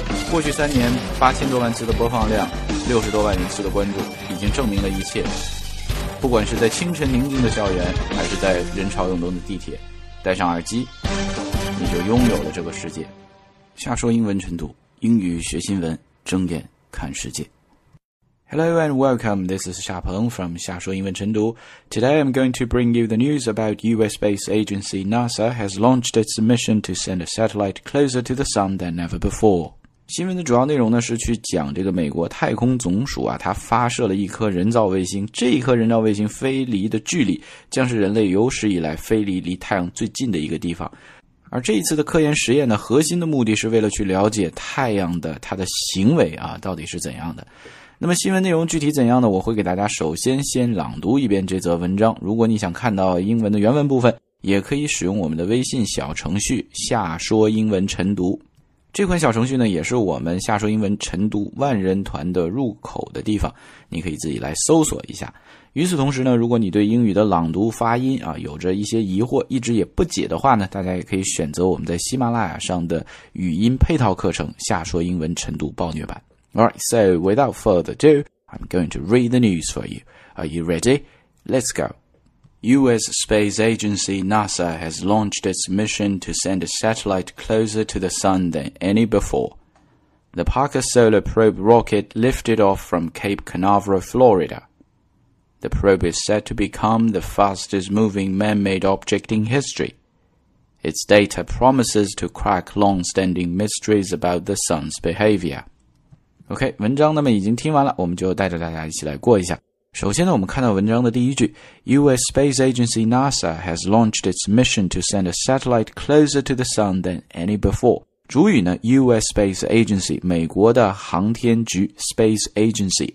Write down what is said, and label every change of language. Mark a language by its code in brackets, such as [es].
[zh] 过去三年，8000多万次的播放量，60多万人次的关注，已经证明了一切。不管是在清晨宁静的校园，还是在人潮涌动的地铁，戴上耳机，你就拥有了这个世界。下说英文晨读，英语学新闻，睁眼看世界。 [en] Hello and welcome, this is Xia Peng from 下说英文晨读. Today I'm going to bring you the news about US space agency NASA has launched its mission to send a satellite closer to the sun than ever before. [zh] 新闻的主要内容呢是去讲这个美国太空总署啊，它发射了一颗人造卫星，这一颗人造卫星飞离的距离将是人类有史以来飞离离太阳最近的一个地方。而这一次的科研实验呢，核心的目的是为了去了解太阳的它的行为啊，到底是怎样的。那么新闻内容具体怎样呢？我会给大家首先先朗读一遍这则文章。如果你想看到英文的原文部分，也可以使用我们的微信小程序下说英文晨读。这款小程序呢，也是我们下说英文晨读万人团的入口的地方，你可以自己来搜索一下。与此同时呢，如果你对英语的朗读发音啊有着一些疑惑，一直也不解的话呢，大家也可以选择我们在喜马拉雅上的语音配套课程下说英文晨读暴虐版。 [en] Alright, so without further ado, I'm going to read the news for you. Are you ready? Let's go. US space agency NASA has launched its mission to send a satellite closer to the sun than any before. The Parker Solar Probe rocket lifted off from Cape Canaveral, Florida. The probe is said to become the fastest moving man-made object in history. Its data promises to crack long-standing mysteries about the sun's behavior. [zh] OK, 文章那么已经听完了，我们就带着大家一起来过一下。首先呢，我们看到文章的第一句， [en] US Space Agency NASA has launched its mission to send a satellite closer to the sun than any before. [zh] 主语呢， US Space Agency, 美国的航天局 Space Agency.